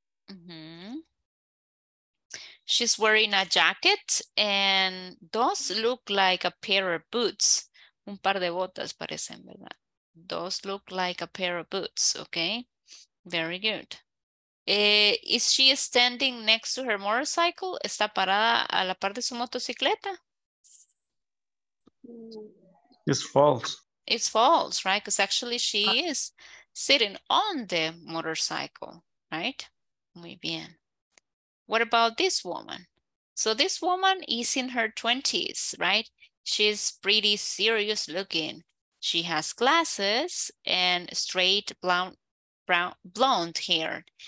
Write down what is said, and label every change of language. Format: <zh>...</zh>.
<en>Mm-hmm. She's wearing a jacket and those look like a pair of boots.</en> <es>Un par de botas parecen, ¿verdad?</es> <en>Those look like a pair of boots, okay? Very good. Is she standing next to her motorcycle?</en> <es>¿Está parada a la par de su motocicleta?</es> <en>It's false. It's false, right? Because actually she is sitting on the motorcycle, right?</en> <es>Muy bien.</es> <en>What about this woman? So this woman is in her 20s, right? She's pretty serious looking. She has glasses and straight blonde hair.</en>